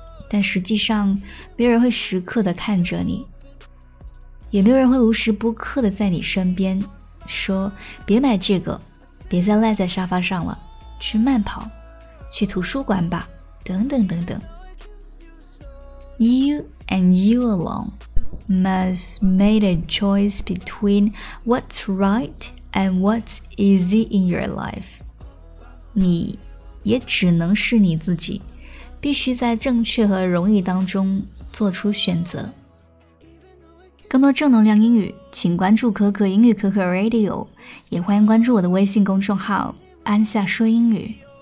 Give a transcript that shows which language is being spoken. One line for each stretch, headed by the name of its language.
Chinese: 但实际上，没有人会时刻的看着你，也没有人会无时不刻的在你身边，说别买这个，别再赖在沙发上了，去慢跑，去图书馆吧，等等等等。
English: You and you alone must make a choice between what's right. And what's easy in your life?
Chinese: 你也只能是你自己，必须在正确和容易当中做出选择。更多正能量英语，请关注可可英语可可 Radio， 也欢迎关注我的微信公众号安夏说英语。